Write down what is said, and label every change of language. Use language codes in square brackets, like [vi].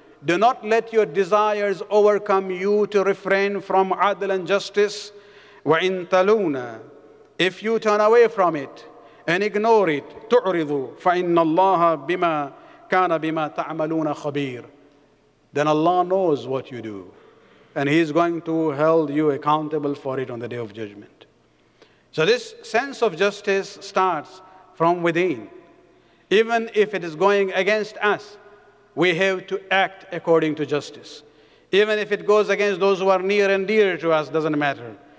[en] Do not let your desires overcome you to refrain from adl and justice. [ar] وَإِن تَلُونَ. [en] If you turn away from it and ignore it, [ar] تُعْرِضُوا. فَإِنَّ اللَّهَ بِمَا كَانَ بِمَا تَعْمَلُونَ خَبِيرٌ. [en] Then Allah knows what you do. and he is going to hold you accountable for it on the Day of Judgment. So this sense of justice starts from within. Even if it is going against us, we have to act according to justice. Even if it goes against those who are near and dear to us, doesn't matter.